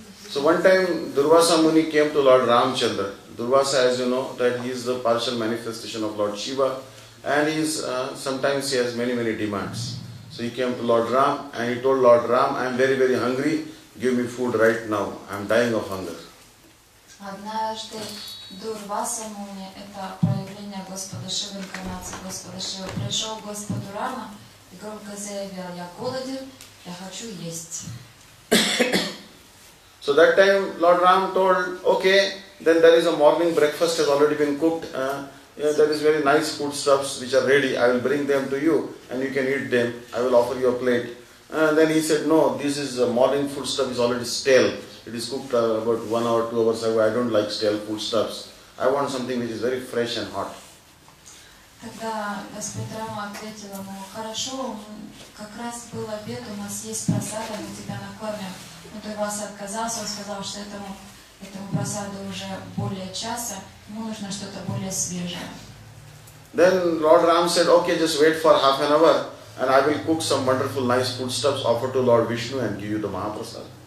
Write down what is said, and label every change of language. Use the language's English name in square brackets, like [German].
[English] So one time Durvasa Muni came to Lord Ramchandra. Durvasa, as you know, that he is the partial manifestation of Lord Shiva, and he is sometimes he has many demands. So he came to Lord Ram and he told Lord Ram, I am very hungry. Give me food right now. I am dying of hunger. [Russian] Однажды Дурваса Муни, это проявление Господа Шивы, инкарнация Господа Шивы, пришел к Господу Рама и громко заявил, я голоден, я хочу есть. [English] So that time Lord Ram told, okay, then there is a morning breakfast has already been cooked. There is very nice foodstuffs which are ready. I will bring them to you and you can eat them. I will offer you a plate. Then he said, no, this is a morning foodstuff is already stale. It is cooked about 1 hour, 2 hours ago. I don't like stale foodstuffs. I want something which is very fresh and hot. [Russian] Тогда Господь Рама ответил ему, хорошо, как раз был обед, у нас есть просад, мы тебя накормим. Но ты вас отказался, он сказал, что этому просаду уже более часа, ему нужно что-то более свежее. [English] Then Lord Ram said, okay, just wait for half an hour and I will cook some wonderful nice foodstuffs, offer to Lord Vishnu and give you the Mahaprasad.